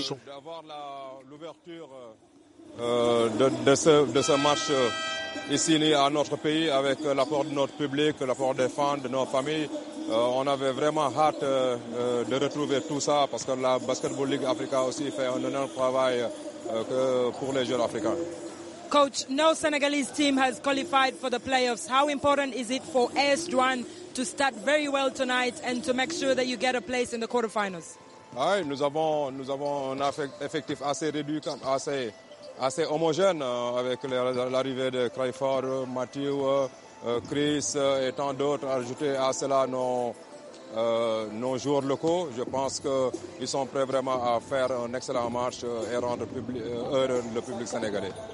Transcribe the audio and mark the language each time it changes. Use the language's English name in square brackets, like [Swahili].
[French] De ce match ici né à notre pays avec l'apport de notre public, l'apport des fans, de nos familles. On avait vraiment hâte de retrouver tout ça parce que la Basketball League Africa aussi fait un énorme travail pour les jeunes africains. [English] Coach, no Senegalese team has qualified for the playoffs. How important is it for AS Douane to start very well tonight and to make sure that you get a place in the quarterfinals? [French] Oui, nous avons un effectif assez réduit, assez homogène avec l'arrivée de Crayford, Mathieu, Chris et tant d'autres. Ajoutés à cela nos joueurs locaux, je pense qu'ils sont prêts vraiment à faire un excellent match et rendre heureux le public sénégalais.